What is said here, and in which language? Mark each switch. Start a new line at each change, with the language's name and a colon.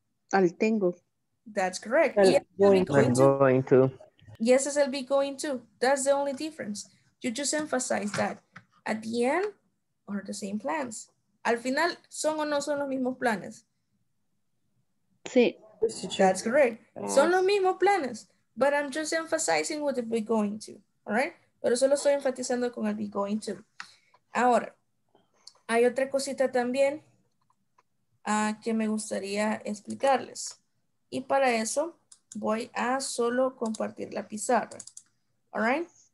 Spanish: Al tengo.
English: That's correct. I'm going to. Yes,
Spanish: es el
English: be going to. That's the only difference. You just emphasize that. At the end, are the same plans.
Spanish: Al final, ¿son o no son los mismos planes? Sí.
English: That's correct.
Spanish: Son los mismos planes.
English: But I'm just emphasizing with the be going to. All right?
Spanish: Pero solo estoy enfatizando con el be going to. Ahora, hay otra cosita también que me gustaría explicarles. Y para eso voy a solo compartir la pizarra.
English: All right?